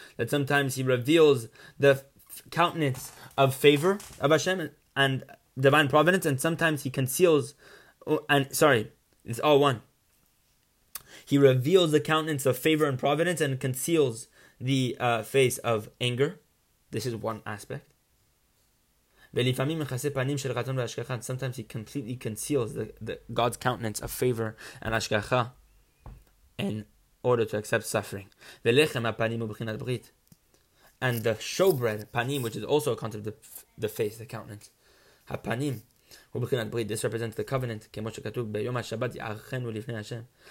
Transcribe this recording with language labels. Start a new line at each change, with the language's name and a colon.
English: That sometimes he reveals the countenance of favor of Hashem and divine providence, and sometimes he conceals, and sorry, it's all one. He reveals the countenance of favor and providence and conceals the face of anger. This is one aspect.
Hebrew: ולפעמים מכסה פנים של רצון והשגחה.
English: Sometimes he completely conceals the God's countenance of favor and השגחה in order to accept suffering.
Hebrew: ולחם הפנים הוא בחינת ברית.
English: And the showbread, panim, which is also a concept of the face, the countenance.
Hebrew: הפנים הוא בחינת ברית.
English: This represents the covenant,
Hebrew: כמו שכתוב ביום השבת יערכנו לפני השם.